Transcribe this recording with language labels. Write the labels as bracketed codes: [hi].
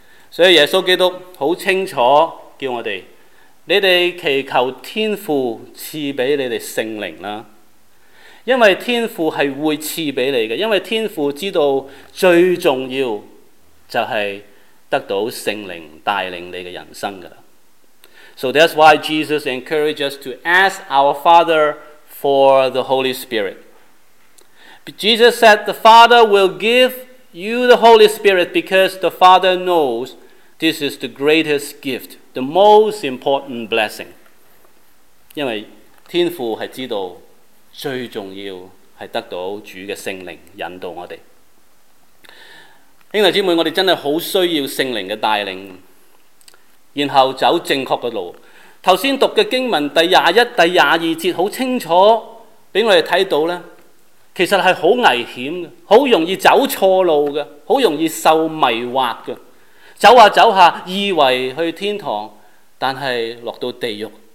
[zh] 所以耶稣基督很清楚叫我们，你们祈求天父赐给你们圣灵，因为天父是会赐给你的，因为天父知道最重要就是得到圣灵带领你的人生的。 [en] So that's why Jesus encouraged us to ask our Father for the Holy Spirit. Jesus said the Father will give you the Holy Spirit because the Father knows this is the greatest gift, the most important blessing. [zh] 因为天父是知道最重要是得到主的圣灵引导我们。兄弟姐妹，我们真的很需要圣灵的带领，然后走正确的路。刚才读的经文第21、第22节很清楚让我们看到，其实是很危险的，很容易走错路的，很容易受迷惑的，走下走下以为去天堂，但是落到地狱。